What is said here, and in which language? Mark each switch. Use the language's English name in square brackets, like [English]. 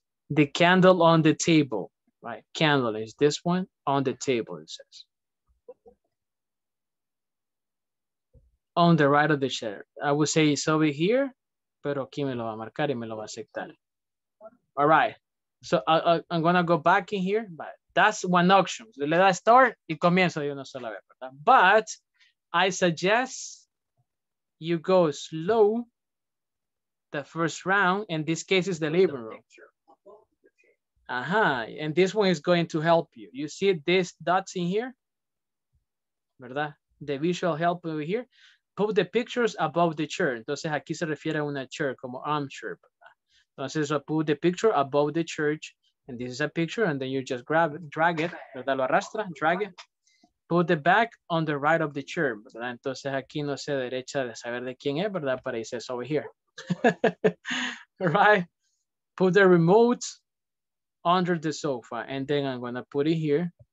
[English] The candle on the table, right? Candle is this one, on the table, it says. On the right of the chair. I would say it's over here, [Spanish] pero aquí me lo va a marcar y me lo va a aceptar. [English] All right, so I'm gonna go back in here, but that's one option. Le da start y comienzo de una sola vez, ¿verdad? But I suggest you go slow the first round, and this case is the living room. Uh-huh, and this one is going to help you. You see these dots in here, [Spanish] ¿verdad? [English] The visual help over here. Put the pictures above the chair. [Spanish] Entonces aquí se refiere a una chair, como armchair, ¿verdad? Entonces [English] so put the picture above the church, and this is a picture, and then you just grab it, drag it, [Spanish] ¿verdad? Lo arrastra, [English] drag it. Put the back on the right of the chair, [Spanish] ¿verdad? Entonces aquí no sé derecha de saber de quién es, ¿verdad? Pero [English] it says over here. Right? Put the remote under the sofa, and then I'm gonna put it here.